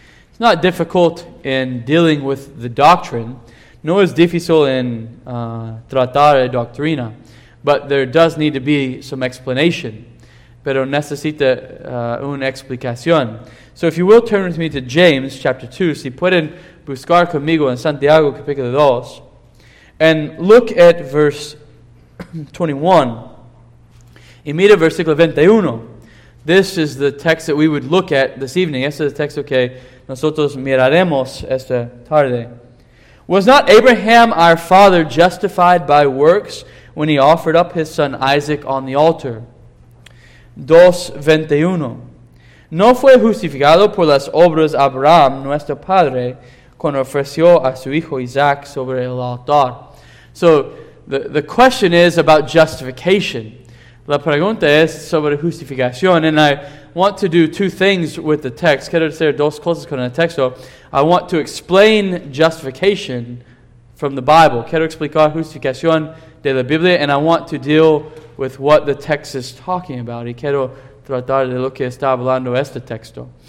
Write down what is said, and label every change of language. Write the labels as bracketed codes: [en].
[en] It's not difficult in dealing with the doctrine, nor is [es] difícil en tratar la doctrina, [en] but there does need to be some explanation. [es] Pero necesita una explicación. [en] So if you will turn with me to James chapter 2, [es] si pueden buscar conmigo en Santiago capítulo 2, [en] and look at verse 21, [es] y mira versículo 21. [en] This is the text that we would look at this evening. [es] Este es el texto que nosotros miraremos esta tarde. [en] Was not Abraham our father justified by works when he offered up his son Isaac on the altar? 2:21. [es] No fue justificado por las obras Abraham, nuestro padre, cuando ofreció a su hijo Isaac sobre el altar. [en] So, the question is about justification. [es] La pregunta es sobre justificación. [en] And I want to do two things with the text. [es] Quiero hacer dos cosas con el texto. [en] I want to explain justification from the Bible. [es] Quiero explicar justificación de la Biblia. [en] And I want to deal with what the text is talking about. [es] Y quiero tratar de lo que está hablando este texto.